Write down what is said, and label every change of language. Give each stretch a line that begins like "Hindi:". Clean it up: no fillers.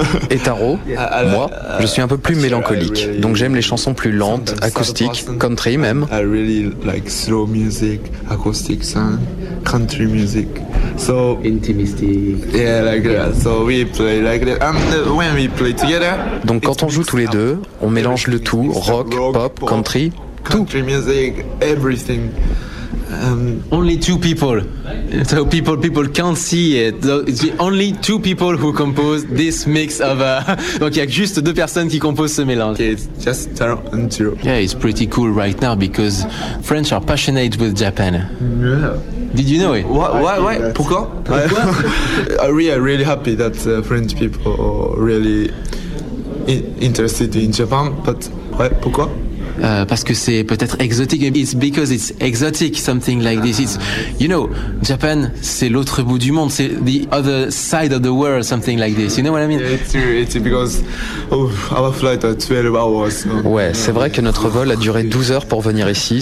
French: Et Taro, moi, je suis un peu plus mélancolique.
English: Really,
French: donc j'aime les chansons plus lentes, acoustiques, country même.
English: I really like slow music, acoustic sound, country music. So intimistic. Yeah, like that. So we play like that. And when we play together.
French: Donc quand on joue tous les deux, on mélange le tout, rock, pop, country.
English: country music, everything. Only two people. So people can't see it. So it's the only two people who compose this mix of.
French: Donc il y a juste deux personnes qui composent ce mélange.
English: Okay, it's just Tarantino. Yeah, it's pretty cool right now because French are passionate with Japan. Yeah. Did you know it? Why?
French: Pourquoi?
English: I'm really happy that French people are really interested in Japan. But
French: ouais, pourquoi? Parce que c'est peut-être exotique.
English: It's because it's exotic, something like this. It's, you know,
French: Japan, c'est l'autre bout du monde. C'est
English: the other side of the world, something like this. You know what I mean? Yeah, it's true. It's because our flight is 12 hours. So.
French: Ouais, c'est vrai que notre vol a duré 12 heures pour venir ici.